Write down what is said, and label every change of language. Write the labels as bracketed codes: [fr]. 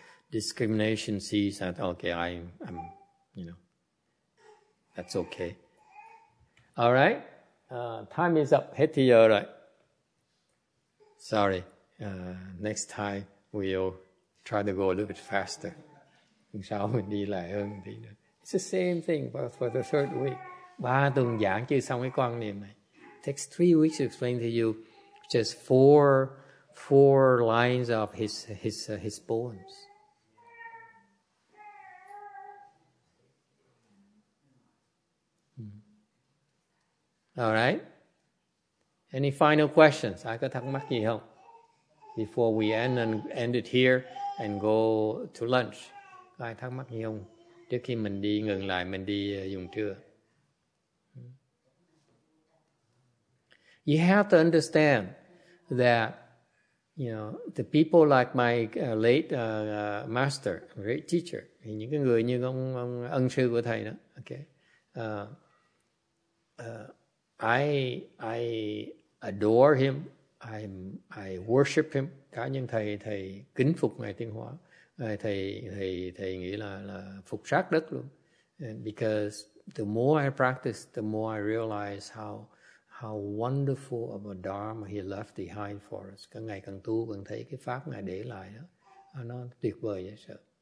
[en] Discrimination sees that, okay, I'm, you know, that's okay. All right, time is up. [vi] Hết thì giờ rồi. [en] Sorry, next time we'll try to go a little bit faster. It's the same thing for the third week. [vi] Ba tuần giảng chưa xong cái quan niệm này. [en] It takes 3 weeks to explain to you just four lines of his poems. All right. Any final questions? [vi] Ai có thắc mắc gì không? [en] Before we end it here and go to lunch. [vi] Ai thắc mắc gì không? Trước khi mình đi ngừng lại, mình đi dùng trưa. [en] You have to understand that, you know, the people like my late master, great teacher, [vi] những cái người như ông ân sư của thầy đó, [en] okay. I adore him. I worship him. [vi] Cá nhân thầy kính phục ngài Tiên Hóa. Thầy nghĩ là phục sát đất luôn. [en] And because the more I practice, the more I realize how wonderful of a dharma he left behind for us. [vi] Càng ngày càng tu, càng thấy cái pháp ngài để lại đó, nó tuyệt vời vậy sợ.